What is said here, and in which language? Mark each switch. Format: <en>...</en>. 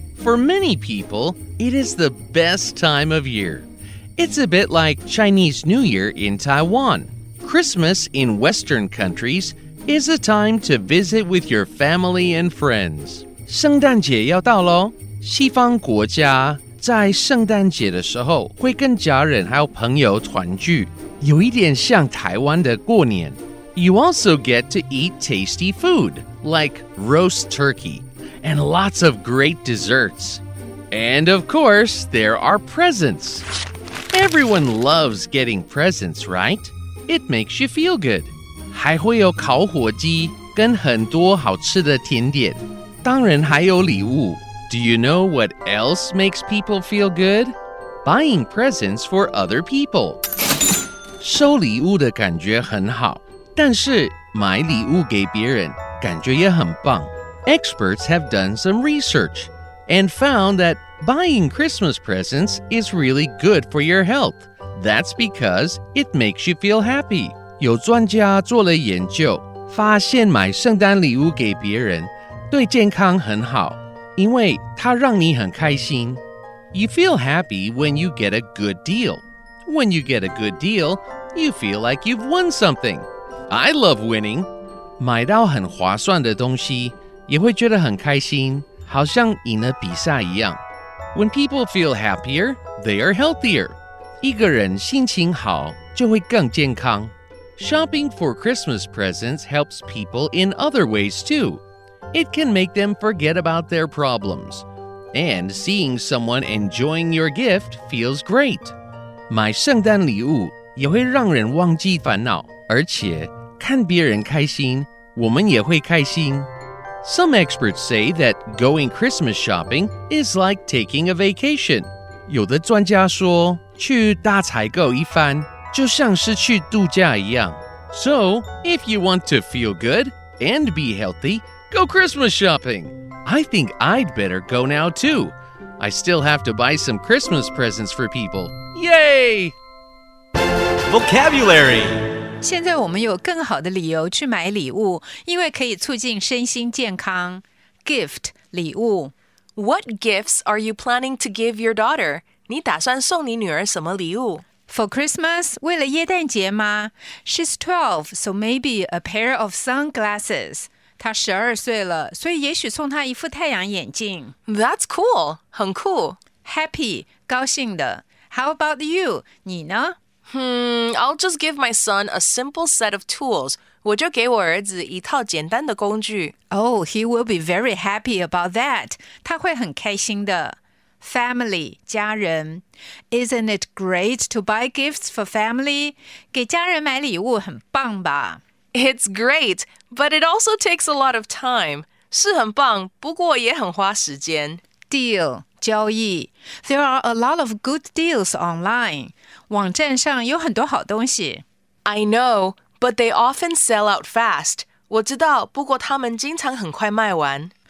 <en>For many people, it is the best time of year. It's a bit like Chinese New Year in Taiwan. Christmas in Western countries is a time to visit with your family and friends.</en> <zh>圣诞节要到咯。西方国家在圣诞节的时候会跟家人还有朋友团聚，有一点像台湾的过年。</zh> <en>You also get to eat tasty food, like roast turkey, and lots of great desserts. And of course, there are presents. Everyone loves getting presents, right? It makes you feel good.</en> <zh>还会有烤火鸡跟很多好吃的甜点，当然还有礼物。</zh> <en>Do you know what else makes people feel good? Buying presents for other people.</en> <zh>收礼物的感觉很好。但是买礼物给别人感觉也很棒。</zh> <en>Experts have done some research and found that buying Christmas presents is really good for your health. That's because it makes you feel happy.</en> <zh>有专家做了研究，发现买圣诞礼物给别人对健康很好，因为它让你很开心。</zh> <en>You feel happy when you get a good deal. When you get a good deal, you feel like you've won something. I love winning.</en> <zh>买到很划算的东西也会觉得很开心，好像赢了比赛一样。</zh> <en>When people feel happier, they are healthier.</en> <zh>一个人心情好就会更健康。</zh> <en>Shopping for Christmas presents helps people in other ways too. It can make them forget about their problems. And seeing someone enjoying your gift feels great.</en> <zh>买圣诞礼物也会让人忘记烦恼。而且看别人开心，我们也会开心。</zh> <en>Some experts say that going Christmas shopping is like taking a vacation.</en> <zh>有的专家说，去大采购一番，就像是去度假一样。</zh> <en>So, if you want to feel good and be healthy, go Christmas shopping. I think I'd better go now too. I still have to buy some Christmas presents for people. Yay! Vocabulary.</en> <zh>现在我们有更好的理由去买礼物，因为可以促进身心健康。</zh> <en>Gift, 礼物。 What gifts are you planning to give your daughter?</en> <zh>你打算送你女儿什么礼物？</zh> <en>For Christmas,</en> <zh>为了耶诞节吗？</zh> <en>She's 12, so maybe a pair of sunglasses.</en> <zh>她十二岁了，所以也许送她一副太阳眼镜。</zh> <en>That's cool,</en> <zh>很酷。</zh> <en>Happy, 高兴的。How about you?</en> <zh>你呢？</zh> <en>I'll just give my son a simple set of tools.</en> <zh>我就给我儿子一套简单的工具。</zh> <en>Oh, he will be very happy about that.</en> <zh>他会很开心的。Family, 家人。</zh> <en>Isn't it great to buy gifts for family?</en> <zh>给家人买礼物很棒吧。</zh> <en>It's great, but it also takes a lot of time.</en> <zh>是很棒，不过也很花时间。</zh> <en>Deal, 交易。 There are a lot of good deals online.</en> <zh>网站上有很多好东西。</zh> <en>I know, but they often sell out fast.</en> <zh>我知道，不过他们经常很快卖完。</zh>